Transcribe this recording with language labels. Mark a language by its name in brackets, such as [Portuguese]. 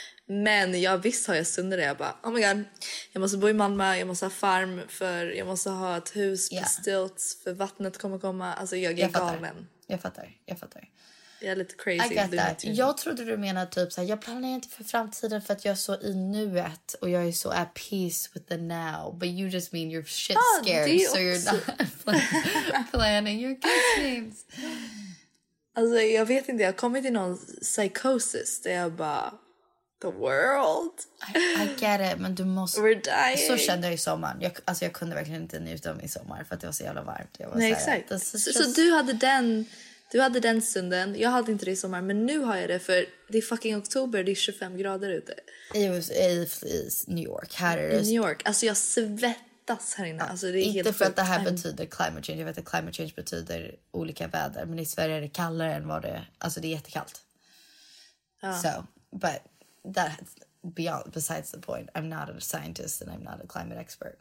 [Swedish] Men jag visst har jag stunder där jag bara, oh my god, jag måste bo i Malmö, jag måste ha farm, för jag måste ha ett hus på stilts, för vattnet kommer komma. Alltså jag är jag galen. Jag fattar. Jag är lite crazy. Jag trodde du menade typ så här, jag planerar inte för framtiden för att jag är så i nuet och jag är så [English] at peace with the now. But you just mean you're shit scared, ah, so you're not planning your kids' names. [Swedish] Alltså jag vet inte, jag har kommit i någon psychosis där jag bara... [English] The world. I get it, [Swedish] men du måste... [English] We're dying. [Swedish] Så kände jag i sommaren. Alltså jag kunde verkligen inte njuta av min sommar för att det var så jävla varmt. Jag var nej, exakt. Så du hade den stunden. Jag hade inte det i sommar, men nu har jag det för det är fucking oktober. Det är 25 grader ute. I New York. Här är det... I New York. Alltså jag svettas här inne. Alltså det är inte helt för sjukt. Att det här betyder climate change. Jag vet att climate change betyder olika väder. Men i Sverige är det kallare än vad det... Alltså det är jättekallt. [English] So, but... That's beyond, besides the point. I'm not a scientist and I'm not a climate expert.